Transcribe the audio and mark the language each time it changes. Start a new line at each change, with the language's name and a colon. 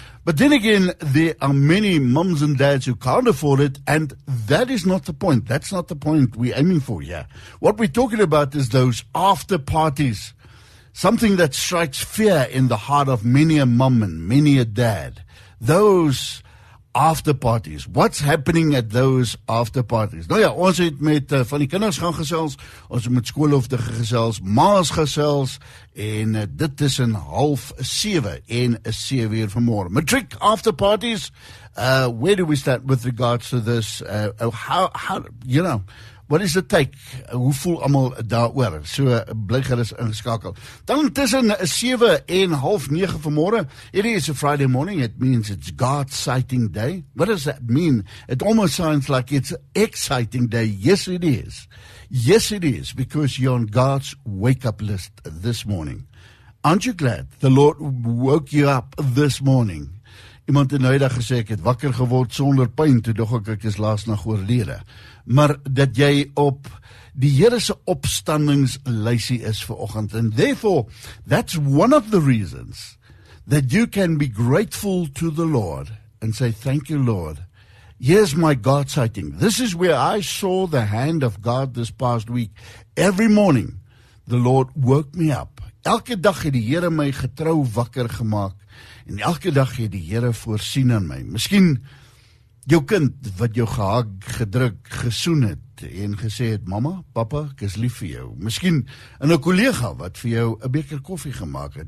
English: But then again, there are many mums and dads who can't afford it, and that is not the point. That's not the point we're aiming for, yeah. What we're talking about is those after parties, something that strikes fear in the heart of many a mum and many a dad. Those after parties. What's happening at those after parties?
Afrikaans: Nou ja, ons het met van die kinders gaan gesels, ons het met skoolhoofde gesels, maas gesels, en dit is in 6:30 en 7 uur vanmorgen.
English: Matric after parties, where do we start with regards to this? How, you know, what is the take?
Afrikaans: Hoe voel allemaal daar oor? So, bly gerus ingeskakel. Dan tussen 7 en 8:30 vanmorgen.
English: It is a Friday morning. It means it's God's sighting day. What does that mean? It almost sounds like it's exciting day. Yes, it is. Yes, it is. Because you're on God's wake-up list this morning. Aren't you glad the Lord woke you up this morning?
Afrikaans: Iemand het nou gesê, ek het wakker geword sonder pyn, toe dog ek is laas nog oorlede. Maar dat jy op die Here se opstandingslysie is vir oggend.
English: And therefore, that's one of the reasons that you can be grateful to the Lord and say, thank you, Lord. Here's my God sighting. This is where I saw the hand of God this past week. Every morning, the Lord woke me up.
Afrikaans: Elke dag het die Here my getrou wakker gemaak. En elke dag het die Here voorsien aan my. Miskien jou kind wat jou gehaak gedruk gesoen het en gesê het, mama, papa, ek is lief vir jou. Miskien in 'n kollega wat vir jou 'n beker koffie gemaak het.